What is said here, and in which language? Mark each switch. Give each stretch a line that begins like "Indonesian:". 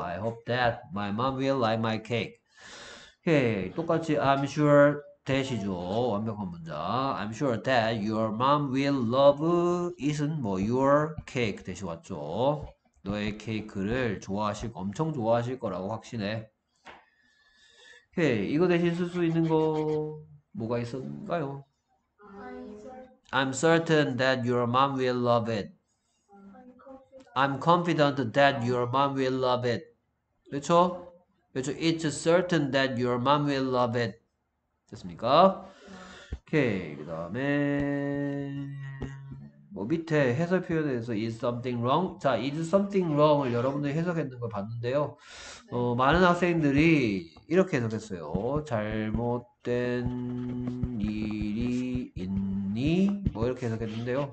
English: I hope that my mom will like my cake.
Korean: 오케이, 똑같이
English: I'm sure that이죠.
Korean: 완벽한 문장.
English: I'm sure that your mom will love isn't 뭐 your cake
Korean: 대시 왔죠. 너의 케이크를 좋아하실 엄청 좋아하실 거라고 확신해. 오케이, 이거 대신 쓸수 있는 거 뭐가 있었나요?
English: I'm certain that your mom will love it. I'm confident that your mom will love it.
Korean: 그렇죠? 그렇죠.
English: It's certain that your mom will love it.
Korean: 됐습니까? 오케이. 그 다음에 뭐 밑에 해설 표현에서
English: is something wrong?
Korean: 자, is something wrong을 여러분들이 해석했는 걸 봤는데요. 많은 학생들이 이렇게 해석했어요. 잘못된 일이 있니? 뭐 이렇게 해석했는데요.